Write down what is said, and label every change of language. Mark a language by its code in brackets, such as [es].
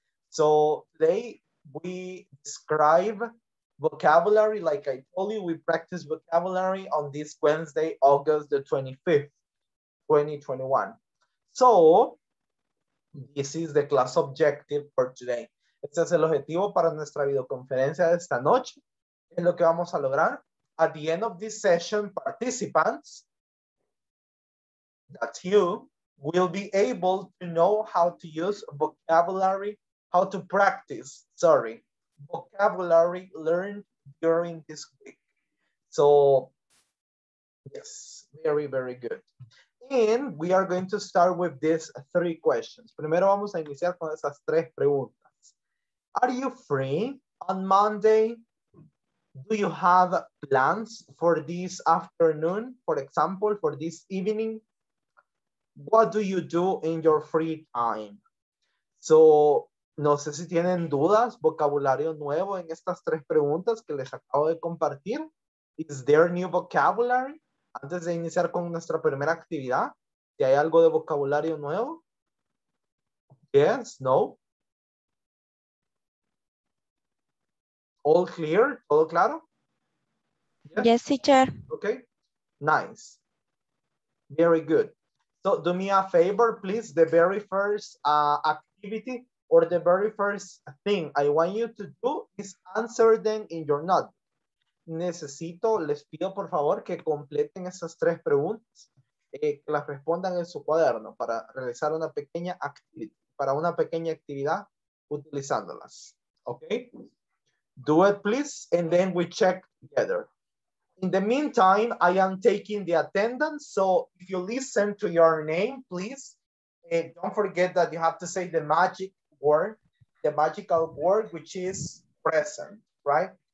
[en] So today we describe vocabulary, like I told you, we practice vocabulary on this Wednesday, August the 25th, 2021. So, this is the class objective for today. [es] Este es el objetivo para nuestra videoconferencia de esta noche. Es lo que vamos a lograr. [en] At the end of this session, participants, that's you, will be able to know how to use vocabulary, how to practice, sorry, vocabulary learned during this week. So, yes, very, very good. And we are going to start with these three questions. [es] Primero vamos a iniciar con esas tres preguntas. [en] Are you free on Monday? Do you have plans for this afternoon, for example, for this evening? What do you do in your free time? [es] So, no sé si tienen dudas, vocabulario nuevo en estas tres preguntas que les acabo de compartir. [en] Is there new vocabulary? [es] Antes de iniciar con nuestra primera actividad, ¿si hay algo de vocabulario nuevo? [en] Yes, no. All clear, [es] todo claro? [en] Yes, yes teacher. Okay, nice. Very good. So do me a favor, please, the very first activity or the very first thing I want you to do is answer them in your notebook. [es] Necesito, les pido por favor que completen esas tres preguntas, que las respondan en su cuaderno para realizar una pequeña actividad, para una pequeña actividad utilizándolas. [en] Okay? Do it please and then we check together. In the meantime, I am taking the attendance. So if you listen to your name, please, don't forget that you have to say the magic word, the magical word, which is present, right?